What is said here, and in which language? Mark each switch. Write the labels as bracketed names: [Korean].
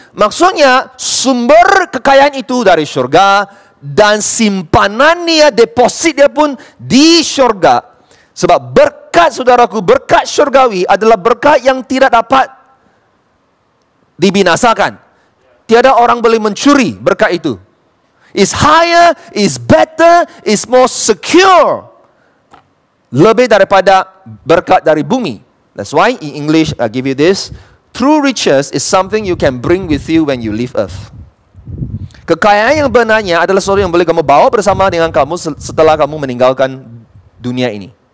[Malay] Maksudnya, sumber kekayaan itu dari syurga, dan simpanannya, depositnya pun di syurga. Sebab berkat saudaraku, berkat syurgawi adalah berkat yang tidak dapat dibinasakan. Tiada orang boleh mencuri berkat itu. [English] It's higher, it's better, it's more secure. [Malay] Lebih daripada berkat dari bumi. [English] That's why in English I give you this. True riches is something you can bring with you when you leave earth. [Malay] Kekayaan yang benarnya adalah sesuatu yang boleh kamu bawa bersama dengan kamu setelah kamu meninggalkan dunia ini.